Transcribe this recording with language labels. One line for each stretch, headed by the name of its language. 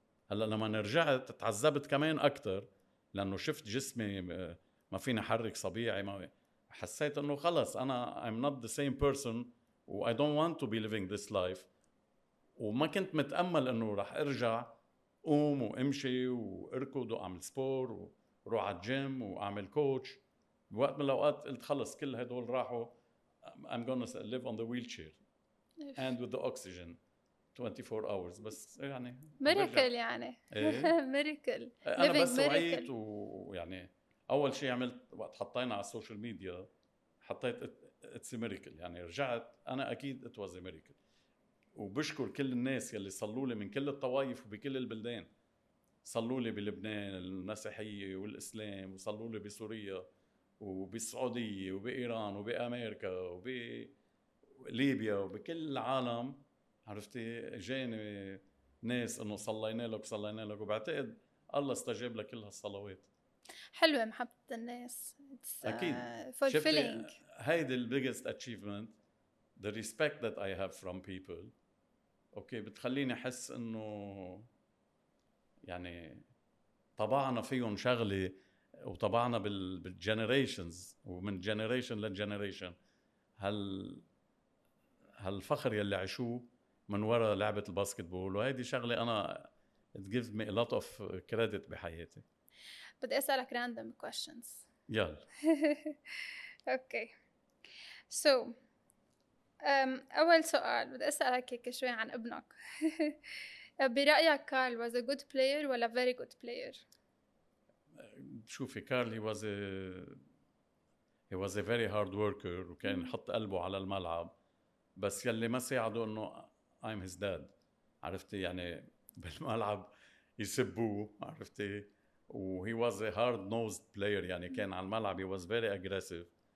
Arabic: هلأ لما نرجعت تعذبت كمان أكتر، لأنه شفت جسمي ما فيني أحرك صبيعي، ما حسيت أنه خلص أنا
English: I'm not the same person and I don't want to be living this life.
Arabic: وما كنت متأمل إنه رح أرجع قوم وامشي واركض وأعمل سبور وروح على الجيم وأعمل كوتش. بوقت من الأوقات قلت خلص كل هدول راحوا،
English: I'm gonna live on the wheelchair and with the oxygen 24 hours.
Arabic: بس يعني ميركل، يعني ميركل. أنا بس وعيت، ويعني أول شيء عملت وقت حطينا على السوشيال ميديا حطيت
English: it's a miracle،
Arabic: يعني رجعت أنا أكيد
English: it was a miracle.
Arabic: وبشكر كل الناس يلي صلوا لي من كل الطوائف وبكل البلدان، صلوا لي بلبنان المسيحية والإسلام، وصلوا لي بسوريا وبالسعودية وبإيران وبأمريكا وبليبيا وبكل العالم. عرفتي جاني ناس إنه صلينا لك صلينا لك، وبعتقد الله استجاب لكل هالصلوات. حلوة محبة الناس. أكيد.
English: Fulfilling. هيدي the biggest achievement، the respect that I have from people.
Arabic: اوكي بتخليني احس انه يعني طبعنا فيهم شغله، وطبعنا بالجنريشنز ومن جنريشن لجنريشن هالفخر يلي عشوه من وراء لعبه الباسكتبول، وهيدي شغله انا
English: it gives me a lot of credit
Arabic: بحياتي. بدي اسالك
English: random questions.
Arabic: يلا. اوكي سو أول سؤال بدي أسألك هيك شوي عن ابنك. برأيك
English: Karl was a good player
Arabic: ولا
English: very good player؟
Arabic: شوفي كارل
English: he was a very hard worker،
Arabic: وكان يحط قلبه على الملعب، بس يلي ما ساعده إنه
English: I'm his dad.
Arabic: عرفتي يعني بالملعب يسبوه، عرفتي، و
English: he was a hard nosed player،
Arabic: يعني كان على الملعب
English: he was very aggressive.